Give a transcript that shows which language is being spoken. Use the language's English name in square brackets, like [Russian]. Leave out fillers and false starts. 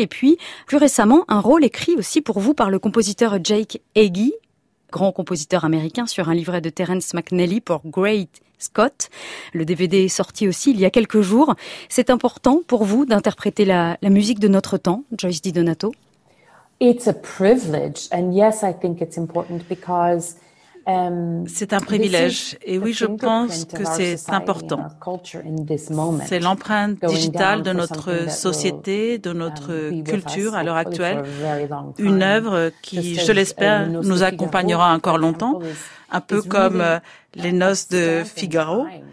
[French] Et puis, plus récemment, un rôle écrit aussi pour vous par le compositeur Jake Eggy, grand compositeur américain, sur un livret de Terence McNally pour Great Scott. Le DVD est sorti aussi il y a quelques jours. C'est important pour vous d'interpréter la musique de notre temps, Joyce Di Donato? [English] It's a privilege, and yes, I think it's important because. [French] C'est un privilège, et oui, je pense que c'est important. C'est l'empreinte digitale de notre société, de notre culture à l'heure actuelle. Une œuvre qui, je l'espère, nous accompagnera encore longtemps, un peu comme les noces de Figaro.